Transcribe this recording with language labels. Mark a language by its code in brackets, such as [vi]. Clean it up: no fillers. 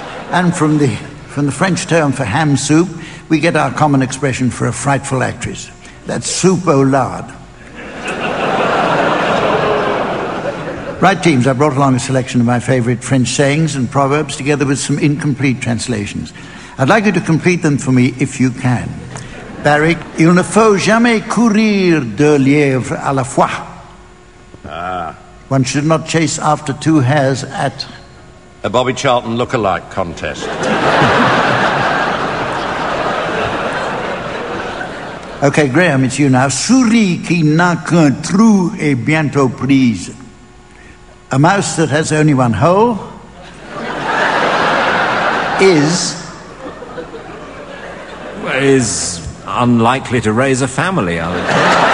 [en] And from the French term for ham soup, we get our common expression for a frightful actress. That's soup au lard. Right, teams, I brought along a selection of my favourite French sayings and proverbs, together with some incomplete translations. I'd like you to complete them for me, if you can. [fr] Barry, il ne faut jamais courir deux lièvres à la fois. Ah. [en] One should not chase after two hares at... a Bobby Charlton look-alike contest. OK, Graham, it's you now. [fr] Souris qui n'a qu'un trou est bientôt prise. [en] A mouse that has only one hole is... well, is unlikely to raise a family, I would say.